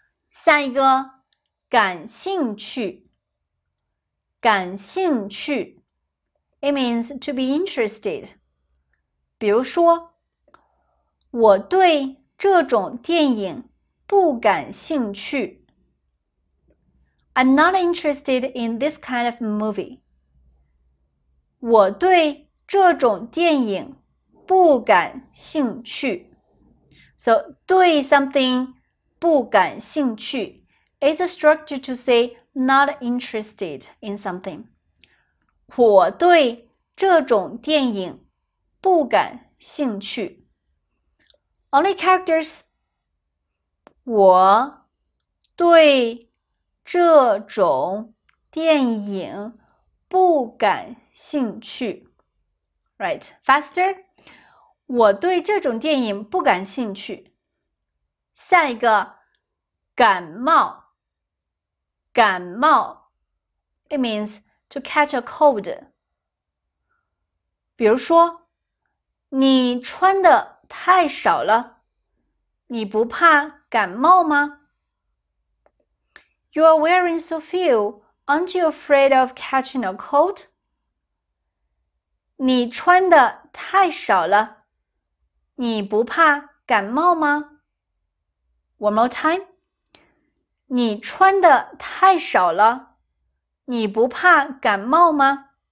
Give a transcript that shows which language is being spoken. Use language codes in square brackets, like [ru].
[zh] 下一个，感兴趣，感兴趣。 [en] It means to be interested. [zh] 比如说，我对这种电影不感兴趣。 [en] I'm not interested in this kind of movie. [zh] 我对这种电影不感兴趣。 [en] So, 对 something [zh] 不感兴趣 [en] is a structure to say not interested in something. [zh] 我对这种电影不感兴趣。 [en] Only characters. [zh] 我对这种电影不感兴趣。 [en] Right, faster. [zh] 我对这种电影不感兴趣。下一个，感冒，感冒。 [en] It means to catch a cold. [zh] 比如说，你穿的太少了，你不怕感冒吗？ [en] You are wearing so few, aren't you afraid of catching a cold? [zh] 你穿的太少了，你不怕感冒吗？ [en] One more time. [zh] 你穿的太少了，你不怕感冒吗？